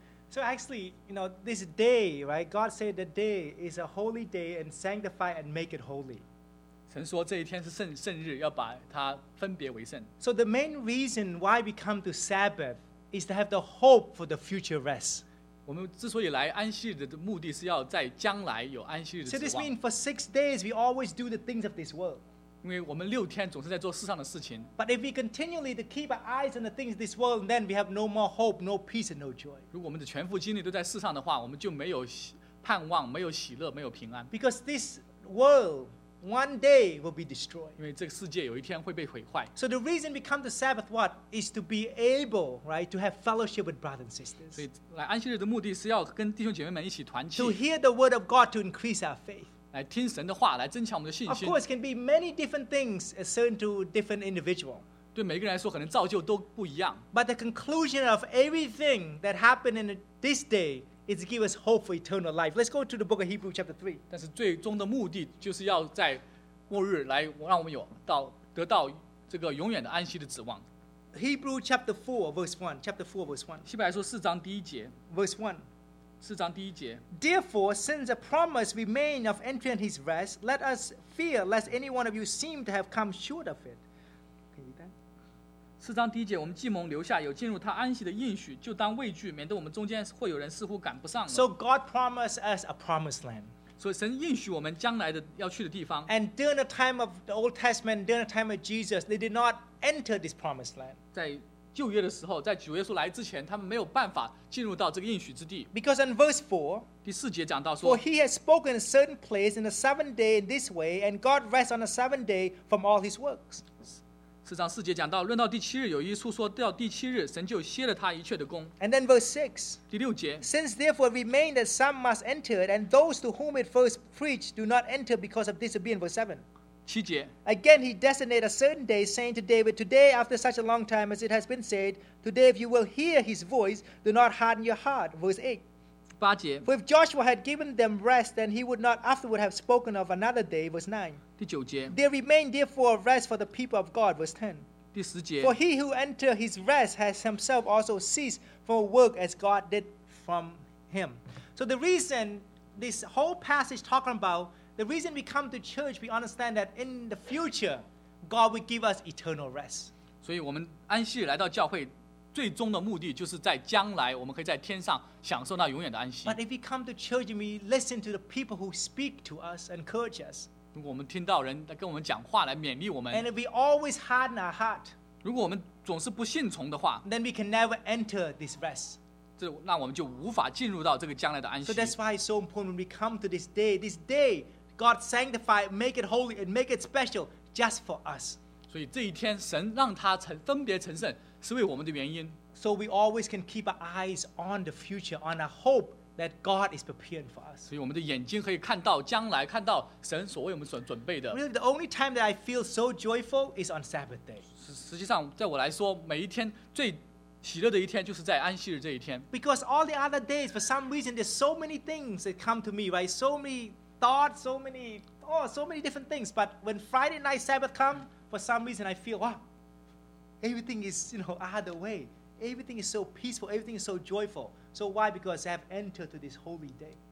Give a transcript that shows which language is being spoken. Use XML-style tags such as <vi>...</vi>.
<en>So actually, you know, this day, right? God said the day is a holy day and sanctify and make it holy.</en> <zh>神说这一天是圣日，要把它分别为圣。</zh> <en>So the main reason why we come to Sabbath is to have the hope for the future rest.</en> <zh>我们之所以来安息日的目的是要在将来有安息日的指望。</zh> <en>So this means for 6 days we always do the things of this world.</en> <zh>因为我们六天总是在做世上的事情。</zh> <en>But if we continually to keep our eyes on the things of this world, then we have no more hope, no peace, and no joy.</en> <zh>如果我们的全副精力都在世上的话，我们就没有盼望，没有喜乐，没有平安。</zh> <en>Because this world one day will be destroyed.</en> <zh>因为这个世界有一天会被毁坏。</zh> <en>So the reason we come to Sabbath, what is to be able, right, to have fellowship with brothers and sisters.</en> <zh>所以来安息日的目的是要跟弟兄姐妹们一起团契。</zh> <en>To hear the word of God to increase our faith.</en> <zh>来听神的话，来增强我们的信心。</zh> <en>Of course, can be many different things assigned to different individual.</en> <zh>对每个人来说，可能造就都不一样。</zh> <en>But the conclusion of everything that happened in this day is to give us hope for eternal life. Let's go to the book of Hebrews chapter 3.</en> <zh>但是最终的目的就是要在末日来让我们得到这个永远的安息的指望。</zh> <en>Hebrews chapter 4, verse 1. Chapter 4, verse 1.</en> <zh>希伯来书四章第一节。</zh> <en>Verse 1.</en> <zh>四章第一节。</zh> <en>Therefore, since a promise remains of entering his rest, let us fear lest any one of you seem to have come short of it.</en> <zh>四章第一节，我们既蒙留下有进入他安息的应许，就当畏惧，免得我们中间会有人似乎赶不上了。</zh> <en>So God promised us a promised land.</en> <zh>所以神应许我们将来的要去的地方。</zh> <en>And during the time of the Old Testament, during the time of Jesus, they did not enter this promised land.</en> <zh>在旧约的时候，在主耶稣来之前，他们没有办法进入到这个应许之地。</zh> <en>Because in verse 4,</en> <zh>第四节讲到说</zh> <en>For he has spoken a certain place in the seventh day in this way, and God rests on the seventh day from all his works.</en> <zh>四章四节讲到，论到第七日，有一处说到第七日，神就歇了他一切的工。</zh> <en>And then verse 6,</en> <zh>第六节</zh> <en>Since therefore it remained that some must enter it, and those to whom it first preached do not enter because of disobedience. Verse 7.</en> <zh>七节</zh> <en>Again, he designated a certain day, saying to David, Today, after such a long time as it has been said, Today, if you will hear his voice, do not harden your heart. Verse 8.</en> <zh>八节</zh> <en>For if Joshua had given them rest, then he would not afterward have spoken of another day. Verse 9.</en> <zh>第九节</zh> <en>There remained therefore a rest for the people of God. Verse 10.</en> <zh>第十节</zh> <en>For he who entered his rest has himself also ceased from work as God did from him. So the reason this whole passage talking about The reason we come to church, we understand that in the future, God will give us eternal rest.</en> <zh>所以我们安息日来到教会，最终的目的就是在将来，我们可以在天上享受那永远的安息。</zh> <en>But if we come to church and we listen to the people who speak to us and encourage us,</en> <zh>如果我们听到人来跟我们讲话来勉励我们</zh> <en>，and if we always harden our heart,</en> <zh>如果我们总是不信从的话</zh> <en>，then we can never enter this rest.</en> <zh>那我们就无法进入到这个将来的安息。</zh> <en>So that's why it's so important when we come to this day. This day, God sanctified, make it holy, and make it special just for us.</en> <zh>所以这一天，神让它分别成圣，是为我们的原因。</zh> <en>So we always can keep our eyes on the future, on a hope that God is preparing for us.</en> <zh>所以我们的眼睛可以看到将来，看到神所为我们所准备的。</zh> <en>Really, the only time that I feel so joyful is on Sabbath day.</en> <zh>实际上，在我来说，每一天最喜乐的一天就是在安息日这一天。</zh> <en>Because all the other days, for some reason, there's so many things that come to me, right? So many thoughts, so many different things. But when Friday night Sabbath come, for some reason, I feel, wow, everything is, you know, other way. Everything is so peaceful. Everything is so joyful. So why? Because I have entered to this holy day.</en>